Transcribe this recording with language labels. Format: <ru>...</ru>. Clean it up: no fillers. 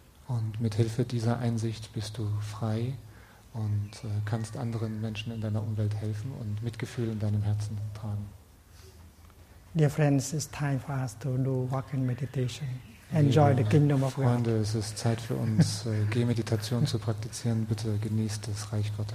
<de>Und mit Hilfe dieser Einsicht bist du frei und kannst anderen Menschen in deiner Umwelt helfen und Mitgefühl in deinem Herzen tragen.</de> <en>Dear friends, it's time for us to do walking meditation. Enjoy the kingdom of God.</en> <de>Freunde, es ist Zeit für uns, Gehmeditation zu praktizieren. Bitte genießt das Reich Gottes.</de>